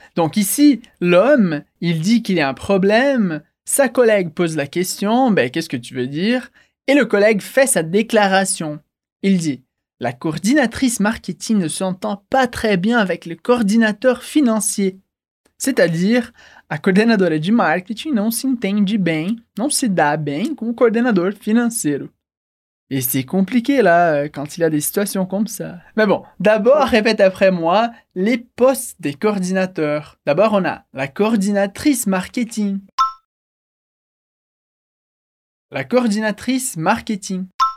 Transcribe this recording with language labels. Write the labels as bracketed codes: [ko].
[fr] Donc ici, l'homme, il dit qu'il y a un problème, sa collègue pose la question, ben qu'est-ce que tu veux dire ? Et le collègue fait sa déclaration. Il dit, la coordinatrice marketing ne s'entend pas très bien avec le coordinateur financier. C'est-à-dire, [pt] a coordenadora de marketing não se entende bem, não se dá bem com o coordenador financeiro. [fr] Et c'est compliqué là, quand il y a des situations comme ça. Mais bon, d'abord, répète après moi, les postes des coordinateurs. D'abord, on a la coordinatrice marketing. La coordinatrice marketing.